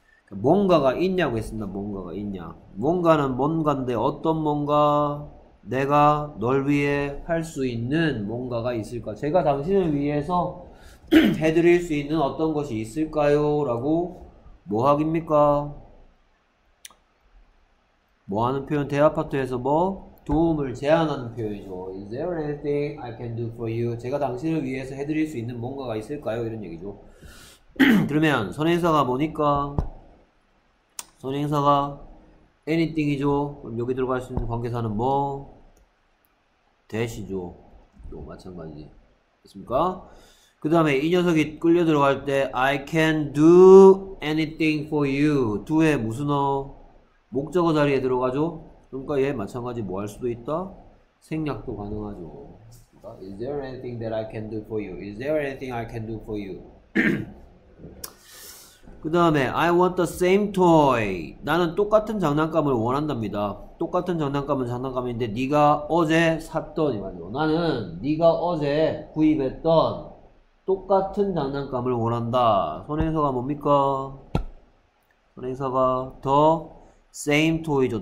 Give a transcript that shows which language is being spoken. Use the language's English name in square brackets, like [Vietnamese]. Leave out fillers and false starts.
[Korean] 뭔가가 있냐고 했습니다. 뭔가가 있냐. 뭔가는 뭔가인데 어떤 뭔가 내가 널 위해 할수 있는 뭔가가 있을까? 제가 당신을 위해서 해드릴 수 있는 어떤 것이 있을까요? 라고 뭐 하깁니까? 뭐 하는 표현? 대화 파트에서 뭐? 도움을 제안하는 표현이죠. [English] Is there anything I can do for you? [Korean] 제가 당신을 위해서 해드릴 수 있는 뭔가가 있을까요? 이런 얘기죠. 그러면 선행사가 뭐니까? 선행사가 anything이죠. 그럼 여기 들어갈 수 있는 관계사는 뭐? 대시죠. 또 마찬가지. 됐습니까? 그 다음에 이 녀석이 끌려 들어갈 때 [English] I can do anything for you. [Korean] do에 무슨 어? 목적어 자리에 들어가죠? 그러니까 얘 마찬가지 뭐할 수도 있다? 생략도 가능하죠. 됐습니까? [English] Is there anything that I can do for you? Is there anything I can do for you? 그 다음에 I want the same toy. [Korean] 나는 똑같은 장난감을 원한답니다. 똑같은 장난감은 장난감인데 네가 어제 샀던 이거죠. 나는 네가 어제 구입했던 똑같은 장난감을 원한다. 선행사가 뭡니까? 선행사가 [English] the same toy [Korean] 죠.